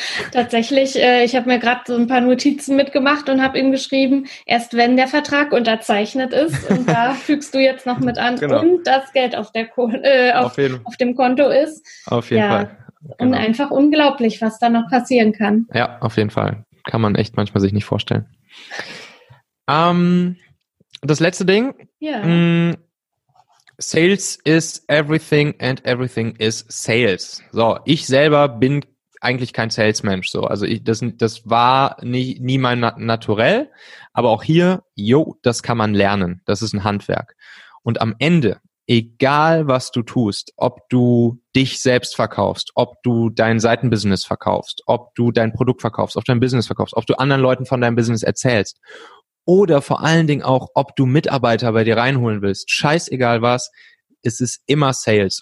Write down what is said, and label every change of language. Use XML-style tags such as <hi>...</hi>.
<de>Tatsächlich, ich habe mir gerade so ein paar Notizen mitgemacht und habe ihm geschrieben, erst wenn der Vertrag unterzeichnet ist, und da fügst du jetzt noch mit an, genau. Und das Geld auf dem Konto ist. Auf jeden Fall. Genau. Und einfach unglaublich, was da noch passieren kann. Ja, auf jeden Fall. Kann man echt manchmal sich nicht vorstellen. Das letzte Ding. Ja.</de> <en>Sales is everything and everything is sales.</en> <de>So, ich selber bin eigentlich kein Salesmensch. So, also das war nie mein Naturell. Aber auch hier, jo, das kann man lernen. Das ist ein Handwerk. Und am Ende, egal was du tust, ob du dich selbst verkaufst, ob du dein Seitenbusiness verkaufst, ob du dein Produkt verkaufst, ob du dein Business verkaufst, ob du anderen Leuten von deinem Business erzählst, oder vor allen Dingen auch, ob du Mitarbeiter bei dir reinholen willst, scheißegal was, es ist immer Sales.</de>